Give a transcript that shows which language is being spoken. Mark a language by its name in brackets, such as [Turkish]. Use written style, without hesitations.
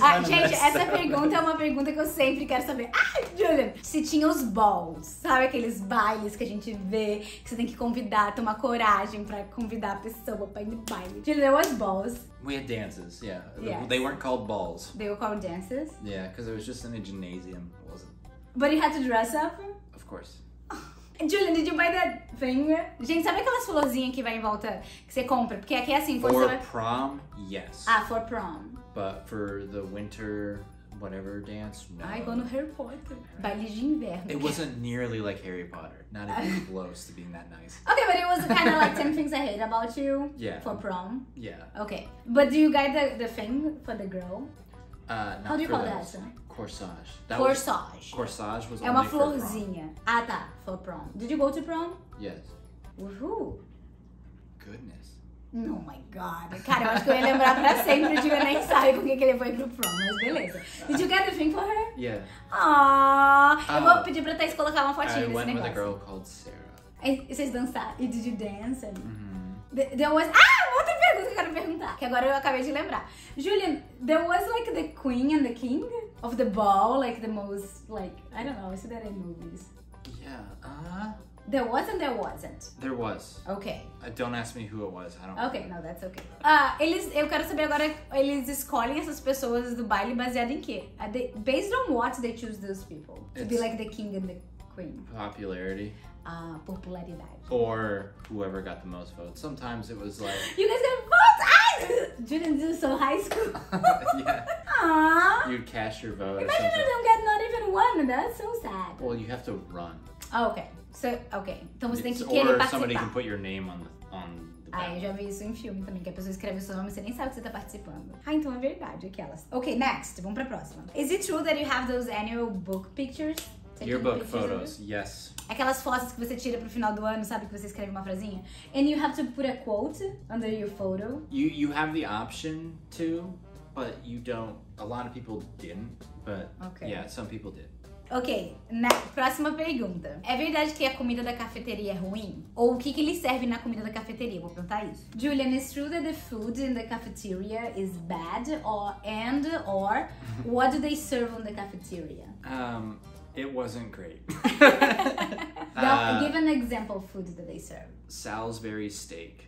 [Portuguese] gente, essa pergunta é uma pergunta que eu sempre quero saber. Ah, Julian! Se tinha os balls, sabe aqueles bailes que a gente vê, que você tem que convidar, tomar coragem pra convidar a pessoa pra ir no baile. [English] Julian, there was balls. We had dances, yeah. Yes. They weren't called balls. They were called dances? Yeah, because it was just in a gymnasium, wasn't it? But you had to dress up? Of course. Julian, did you buy that thing? [Portuguese] Gente, sabe aquelas florzinhas que vai em volta, que você compra? Porque aqui é assim, [English] for prom, yes. Ah, for prom. But for the winter whatever dance, no. I go to Harry Potter. [Portuguese] Baile de inverno. [English] It wasn't nearly like Harry Potter. Not even close to being that nice. Okay, but it was kind of like 10 things I hate about you. Yeah. For prom. Yeah. Okay. But do you get the thing for the girl? Not how do you for call those. That? Corsage. That corsage. Was, corsage was [Portuguese] é [English] only [Portuguese] uma [English] for [Portuguese] florzinha. [English] Prom. [Portuguese] Ah, tá. [English] For prom. Did you go to prom? Yes. Woohoo. Goodness. Oh my God. [Portuguese] Cara, eu acho que eu ia lembrar pra sempre. Eu nem sabe por que ele foi pro prom, mas beleza. [English] Did you get a drink for her? Yeah. Aww. [Portuguese] Eu vou pedir pra Thais colocar uma fotinha desse negócio. [English] I went with a girl called Sarah. [Portuguese] E vocês dançaram? E [English] did you dance? Mm-hmm. There was... [Portuguese] Ah, outra pergunta que eu quero perguntar, que agora eu acabei de lembrar. [English] Julian, there was like the queen and the king of the ball, like the most, like, I don't know, is there any movies? Yeah, There wasn't, there wasn't. There was. Okay. Don't ask me who it was, I don't know. Okay, no, that's okay. [Portuguese] Eu quero saber agora, eles escolhem essas pessoas do baile baseado em quê? [English] Based on what they choose those people? To be like the king and the queen? Popularity. [Portuguese] Popularidade. [English] Or whoever got the most votes. Sometimes it was like... You guys got votes! Julian, this is so high school. Yeah. Aww. You'd cast your vote. Imagine you don't get not even one. That's so sad. Well, you have to run. Oh, okay. So, okay. [Portuguese] Então você tem que querer participar. [English] Or somebody can put your name on the ballot. [Portuguese] Ah, eu já vi isso em filme também, que a pessoa escreve o seu nome e você nem sabe que você tá participando. Ah, então é verdade. Aquelas. [English] Okay, next. [Portuguese] Vamos pra próxima. [English] Is it true that you have those annual book pictures? Yearbook photos, yes. [Portuguese] Aquelas fotos que você tira pro final do ano, sabe? Que você escreve uma frasinha. [English] And you have to put a quote under your photo. You have the option to, but you don't. A lot of people didn't, but okay. Yeah, some people did. [Portuguese] Ok, na próxima pergunta. É verdade que a comida da cafeteria é ruim? Ou o que que eles servem na comida da cafeteria? Vou perguntar isso. [English] Julian, is true that the food in the cafeteria is bad? Or what do they serve on the cafeteria? It wasn't great. Give an example of food that they serve. Salisbury steak.